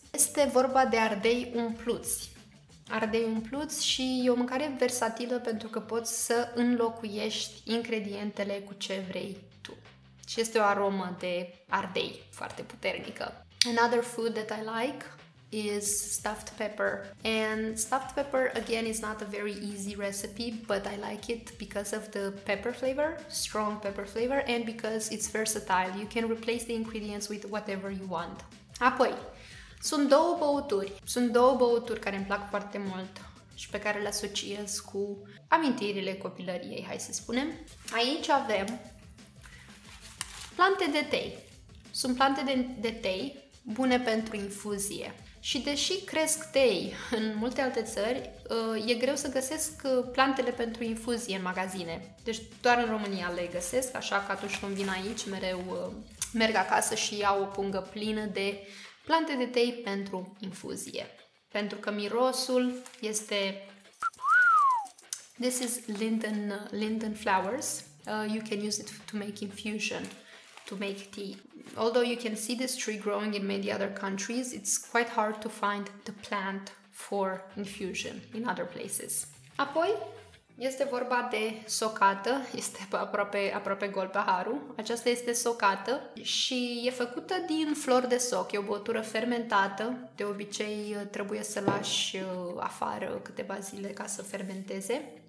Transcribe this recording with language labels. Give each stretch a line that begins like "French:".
Romanian: Este vorba de ardei umpluți. Ardei umpluți și e o mâncare versatilă pentru că poți să înlocuiești ingredientele cu ce vrei tu. Și este o aromă de ardei foarte puternică.
English: Another food that I like is stuffed pepper. And stuffed pepper, again, is not a very easy recipe, but I like it because of the pepper flavor, strong pepper flavor, and because it's versatile. You can replace the ingredients with whatever you want.
Romanian: Apoi, sunt două băuturi. Sunt două băuturi care îmi plac foarte mult și pe care le asociez cu amintirile copilăriei, hai să spunem. Aici avem plante de tei. Sunt plante de tei bune pentru infuzie. Și deși cresc tei în multe alte țări, e greu să găsesc plantele pentru infuzie în magazine. Deci doar în România le găsesc, așa că atunci când vin aici, mereu merg acasă și iau o pungă plină de plante de tei pentru infuzie. Pentru că mirosul este...
English: This is linden flowers. You can use it to make infusion, to make tea. Although you can see this tree growing in many other countries, it's quite hard to find the plant for infusion in other places.
Romanian: Apoi, este vorba de socată. Este aproape gol paharul. Aceasta este socată și e făcută din flori de soc. E o băutură fermentată. De obicei, trebuie să lași afară câteva zile ca să fermenteze.